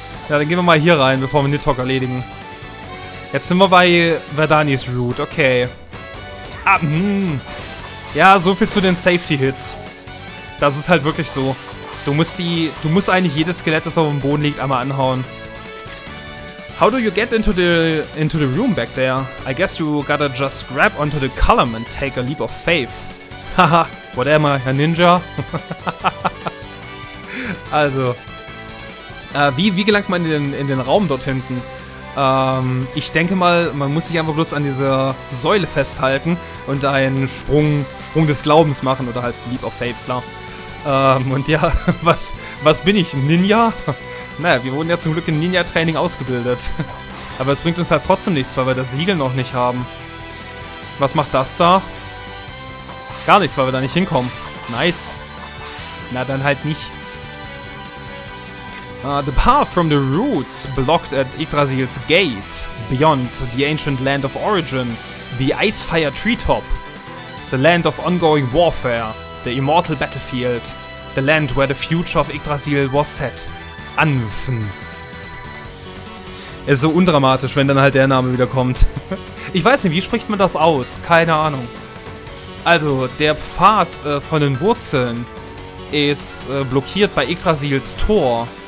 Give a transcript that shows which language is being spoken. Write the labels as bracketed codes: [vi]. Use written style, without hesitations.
[de] Ja, dann gehen wir mal hier rein, bevor wir Nidhogg erledigen. Jetzt sind wir bei Verdanis Root, okay. Ah, ja, so viel zu den Safety Hits. Das ist halt wirklich so. Du musst eigentlich jedes Skelett, das auf dem Boden liegt, einmal anhauen. [en] How do you get into the room back there? I guess you gotta just grab onto the column and take a leap of faith. Haha, what am I, a ninja? [de] Also, wie gelangt man in den Raum dort hinten? Ich denke mal, man muss sich einfach bloß an dieser Säule festhalten und einen Sprung des Glaubens machen oder halt [en] leap of faith, [de] klar. Und ja, was bin ich, Ninja? Naja, wir wurden ja zum Glück in Ninja-Training ausgebildet. Aber es bringt uns halt trotzdem nichts, weil wir das Siegel noch nicht haben. Was macht das da? Gar nichts, weil wir da nicht hinkommen. Nice. Na, dann halt nicht. [en] The path from the roots blocked at Yggdrasils gate. Beyond the ancient land of origin. The Icefire Treetop. The land of ongoing warfare. The immortal battlefield. The land where the future of Yggdrasil was set. Anfen. [de] Ist so undramatisch, wenn dann halt der Name wieder kommt. Ich weiß nicht, wie spricht man das aus? Keine Ahnung. Also, der Pfad von den Wurzeln ist blockiert bei Yggdrasils Tor.